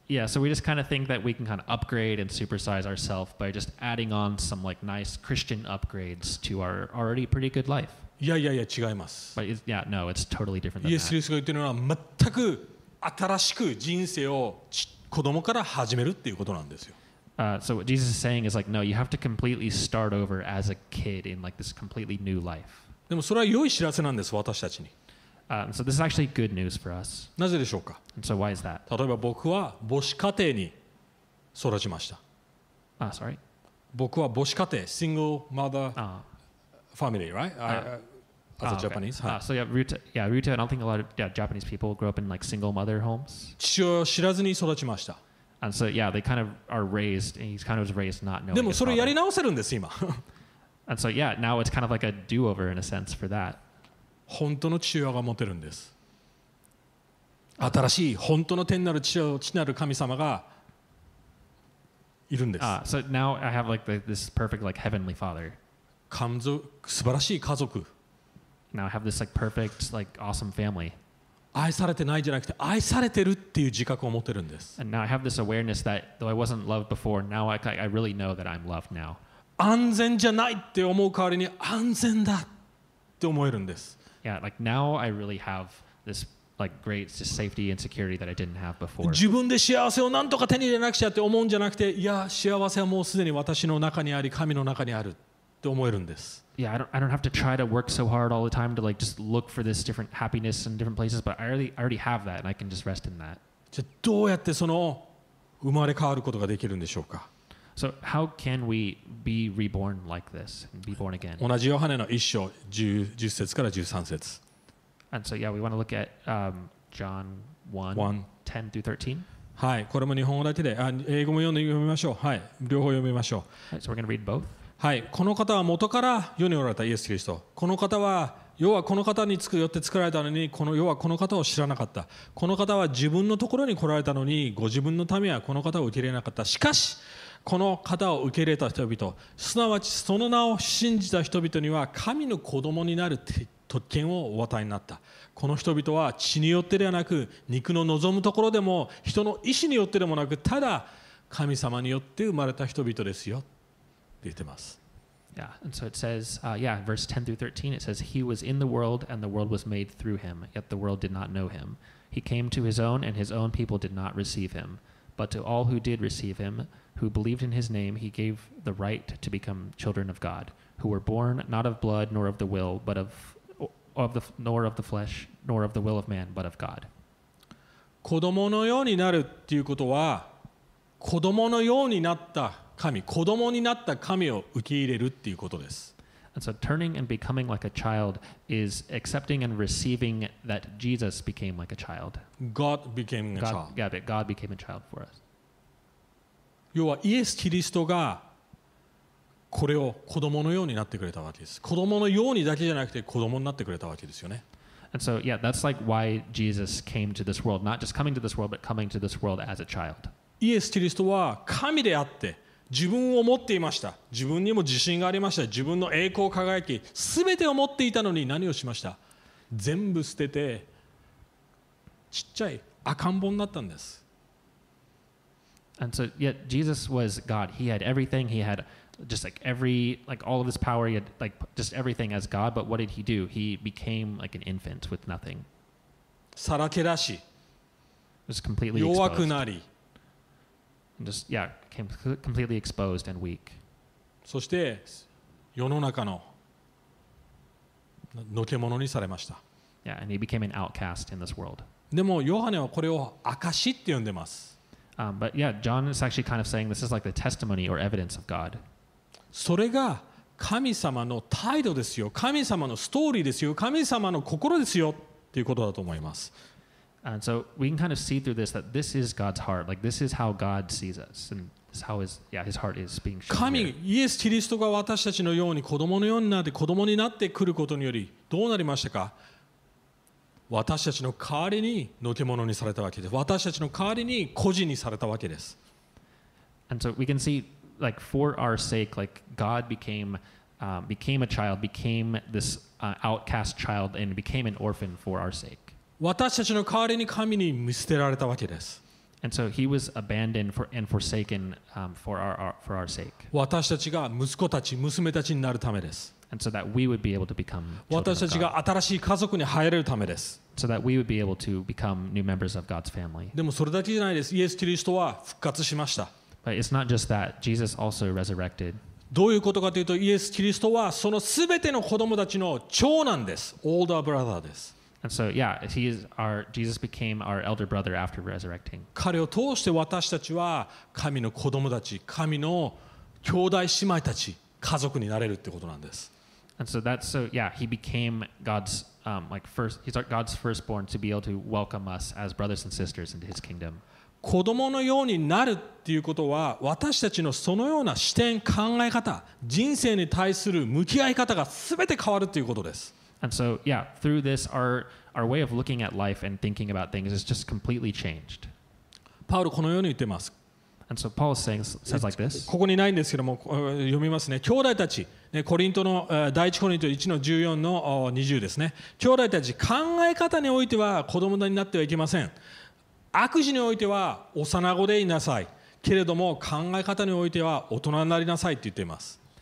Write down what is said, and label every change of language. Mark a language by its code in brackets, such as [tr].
[en] Yeah, so we just kind of think that we can kind of upgrade and supersize ourselves by just adding on some like nice Christian upgrades to our already pretty good life. [ja] いやいやいや違います。 [en] But it's, yeah, no, it's totally different than that. [ja] イエス・キリストが言ってるのは全く新しく人生を子供から始めるっていうことなんですよ。 [en] So what Jesus is saying is like, no, you have to completely start over as a kid in like this completely new life. [ja] でもそれは良い知らせなんです、私たちに。 [en] So this is actually good news for us. [ja] なぜでしょうか? [en] And so why is that? [ja] 例えば僕は母子家庭に育ちました。 [en] Sorry? [ja] 僕は母子家庭、 [en] single mother, family, right? As a Japanese. Okay. So yeah, Ryuta, I don't think a lot of Japanese people grow up in like single mother homes. [ja] 父を知らずに育ちました。 [en] And so yeah, they kind of are raised, and he's kind of raised not knowing. [ja] でもそれやり直せるんです今。 [en] And so yeah, now it's kind of like a do-over in a sense for that. [ja] 本当の父親が持てるんです。新しい本当の天なる父親なる神様がいるんです。 [en] So now I have like this perfect like heavenly father. [ja] 素晴らしい家族。 [en] Now I have this like perfect like awesome family. [ja] 愛されてないじゃなくて愛されてるっていう自覚を持ってるんです。 [en] And now I have this awareness that though I wasn't loved before, now I really know that I'm loved now. [ja] 安全じゃないって思う代わりに安全だって思えるんです。 [en] Yeah, like now I really have this like great safety and security that I didn't have before. [ja] 自分で幸せをなんとか手に入れなくちゃって思うんじゃなくて、いや幸せはもうすでに私の中にあり神の中にある。 [en] Yeah, I don't have to try to work so hard all the time to like just look for this different happiness in different places, but I already have that and I can just rest in that. [ja] じゃあどうやってその生まれ変わることができるんでしょうか? [en] So how can we be reborn like this and be born again? [ja] 同じヨハネの一章十節から十三節。 [en] And so yeah, we want to look at John 1:10-13. [ja] はい、これも日本語だけで、英語も読みましょう。はい、両方読みましょう。 [en] So we're gonna read both. [ja] はい、この方は元から世におられたイエス・キリスト。この方は、世はこの方によって作られたのに、この世はこの方を知らなかった。この方は自分のところに来られたのに、ご自分のためはこの方を受け入れなかった。しかし、この方を受け入れた人々、すなわちその名を信じた人々には、神の子供になる特権をお与えになった。この人々は血によってではなく、肉の望むところでも、人の意思によってでもなく、ただ神様によって生まれた人々ですよ。 [en] Yeah, and so it says, verse 10 through 13, it says, He was in the world, and the world was made through him, yet the world did not know him. He came to his own, and his own people did not receive him. But to all who did receive him, who believed in his name, he gave the right to become children of God, who were born not of blood, nor of the will, but nor of the flesh, nor of the will of man, but of God. [ja] 子供のようになるっていうことは、子供のようになった。神、子供になった神を受け入れるっていうことです。 [en] And so turning and becoming like a child is accepting and receiving that Jesus became like a child. God became a child. God became a child for us. [ja] 要はイエス・キリストがこれを子供のようになってくれたわけです。子供のようにだけじゃなくて子供になってくれたわけですよね。 And so, yeah, that's like why Jesus came to this world, not just coming to this world, but coming to this world as a child. イエス・キリストは神であって自分を持っていました。自分にも自信がありました。自分の栄光輝き、すべてを持っていたのに何をしました? 全部捨てて、ちっちゃい赤ん坊になったんです。 [en] And so, yet Jesus was God. He had everything. He had just like every, like all of his power. He had like just everything as God. But what did he do? He became like an infant with nothing. [ja] さらけ出し。 [en] Was completely exposed. [ja] 弱くなり。 [en] Just, yeah, came completely exposed and weak. [ja] そして世の中ののけものにされました。 [en] Yeah, and he became an outcast in this world. [ja] でもヨハネはこれを証って呼んでます。 [en] But yeah, John is actually kind of saying this is like the testimony or evidence of God. [ja] それが神様の態度ですよ、神様のストーリーですよ、神様の心ですよっていうことだと思います。 [en] And so we can kind of see through this that this is God's heart. Like this is how God sees us. And this is how his heart is being shown. [ja] 神、イエス・キリストが私たちのように子供のようになって子供になってくることによりどうなりましたか? 私たちの代わりにのけものにされたわけです。私たちの代わりに孤児にされたわけです。 [en] And so we can see like for our sake, like God became a child, became this outcast child and became an orphan for our sake. [ja] 私たちの代わりに神に見捨てられたわけです。 [en] And so he was abandoned and forsaken for our sake. [ja] 私たちが息子たち、娘たちになるためです。 [en] And so that we would be able to become children of God. [ja] 私たちが新しい家族に入れるためです。 [en] So that we would be able to become new members of God's family. [ja] でもそれだけじゃないです。イエス・キリストは復活しました。 [en] But it's not just that. Jesus also resurrected. [ja] どういうことかというと、イエス・キリストはそのすべての子供たちの長男です。 [en] Older brother [ja] です。 [en] And so, yeah, Jesus became our elder brother after resurrecting. [ja] 彼を通して私たちは神の子供たち、神の兄弟姉妹たち、家族になれるってことなんです。 [en] And so that's so yeah, he became God's like first he's our God's firstborn to be able to welcome us as brothers and sisters into his kingdom. [ja] 子供のようになるっていうことは私たちのそのような視点考え方人生に対する向き合い方が全て変わるっていうことです。 [en] And so, yeah, through this, our way of looking at life and thinking about things is just completely changed. [ja] パウロこのように言ってます。 [en] And so Paul says, says like this. [ja] ここにないんですけども、読みますね。兄弟たち、ね、コリントの、第一コリント1の14の20ですね。兄弟たち、考え方においては子供になってはいけません。悪事においては幼子でいなさい。けれども考え方においては大人になりなさいって言っています。